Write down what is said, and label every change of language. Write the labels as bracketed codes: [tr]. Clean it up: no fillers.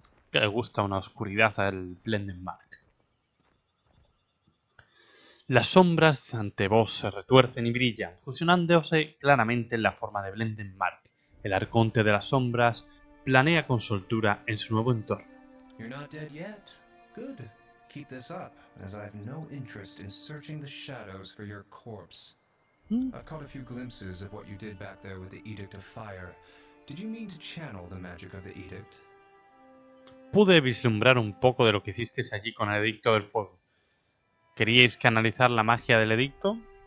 [es] Que le gusta una oscuridad al Blendenmark. Las sombras ante vos se retuercen y brillan, fusionándose claramente en la forma de Blendenmark. El arconte de las sombras planea con soltura en su nuevo entorno. [en] You're not dead yet. Good. Keep this up, as I have no interest in searching the shadows for your corpse. I've caught a few glimpses of what you did back there with the Edict of Fire. Did you mean to channel the magic of the Edict? [es] Pude vislumbrar un poco de lo que hicisteis allí con el Edicto del Fuego. ¿Queríais canalizar la magia del Edicto?